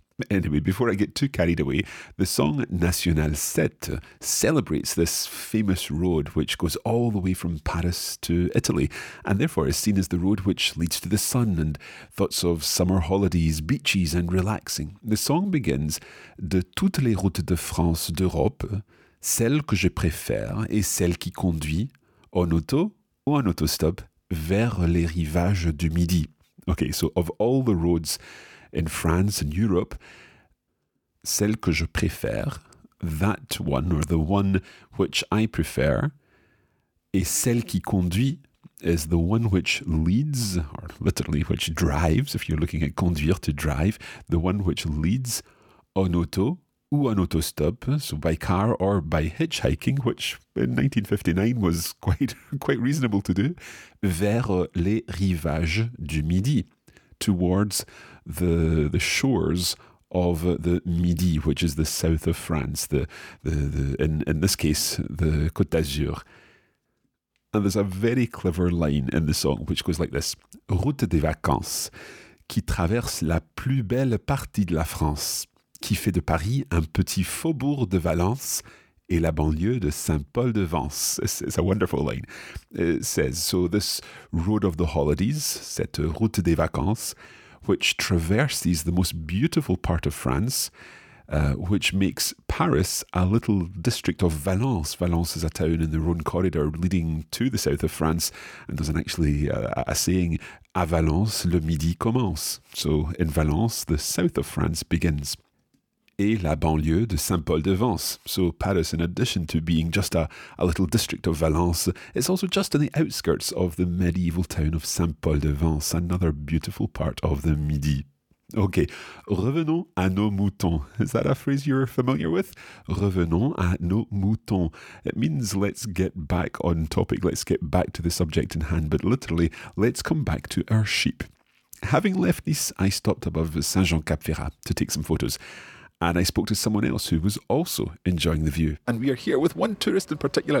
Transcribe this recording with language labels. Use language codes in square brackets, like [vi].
[en] Anyway, before I get too carried away, the song Nationale 7 celebrates this famous road which goes all the way from Paris to Italy, and therefore is seen as the road which leads to the sun and thoughts of summer holidays, beaches and relaxing. The song begins, [fr] De toutes les routes de France d'Europe, celle que je préfère est celle qui conduit, en auto ou en autostop, vers les rivages du Midi. [en] Okay, so of all the roads in France and Europe, [fr] celle que je préfère, [en] that one, or the one which I prefer, [fr] et celle qui conduit, [en] is the one which leads, or literally which drives, if you're looking at [fr] conduire, [en] to drive, the one which leads [fr] en auto ou en autostop, [en] so by car or by hitchhiking, which in 1959 was quite reasonable to do, [fr] vers les rivages du Midi. [en] Towards the shores of the Midi, which is the south of France, in this case, the Côte d'Azur. And there's a very clever line in the song, which goes like this. [fr] Route des vacances, qui traverse la plus belle partie de la France, qui fait de Paris un petit faubourg de Valence et la banlieue de Saint-Paul-de-Vence. [en] It's a wonderful line. It says, so this road of the holidays, [fr] cette route des vacances, [en] which traverses the most beautiful part of France, which makes Paris a little district of Valence. Valence is a town in the Rhone corridor leading to the south of France. And there's a saying, [fr] à Valence, le midi commence. [en] So in Valence, the south of France begins. [fr] Et la banlieue de Saint-Paul-de-Vence. [en] So Paris, in addition to being just a little district of Valence, it's also just on the outskirts of the medieval town of Saint-Paul-de-Vence, another beautiful part of the Midi. [fr] Okay, revenons à nos moutons. [en] Is that a phrase you're familiar with? [fr] Revenons à nos moutons. [en] It means let's get back on topic, let's get back to the subject in hand, but literally, let's come back to our sheep. Having left Nice, I stopped above Saint-Jean-Cap-Ferrat to take some photos. And I spoke to someone else who was also enjoying the view. And we are here with one tourist in particular.